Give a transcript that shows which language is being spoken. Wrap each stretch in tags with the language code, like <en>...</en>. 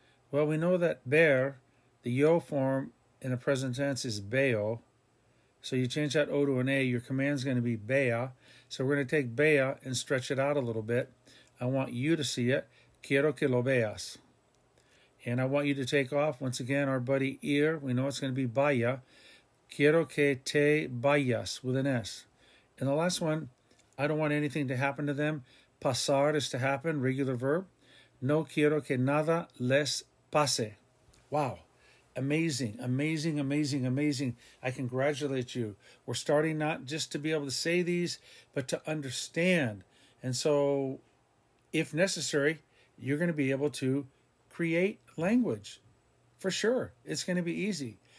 <en>Well, we know that ver, the yo form in the present tense is veo. So you change that O to an A, your command's going to be vea. So we're going to take vea and stretch it out a little bit. I want you to see it.</en> <es>Quiero que lo veas.</es> <en>And I want you to take off. Once again, our buddy ear, we know it's going to be vaya.</en> <es>Quiero que te vayas</es> <en>with an S. And the last one, I don't want anything to happen to them. Pasar is to happen, regular verb.</en> <es>No quiero que nada les pase.</es> <en>Wow. Amazing, amazing, amazing, amazing. I congratulate you. We're starting not just to be able to say these, but to understand. And so, if necessary, you're going to be able to create language. For sure. It's going to be easy.</en>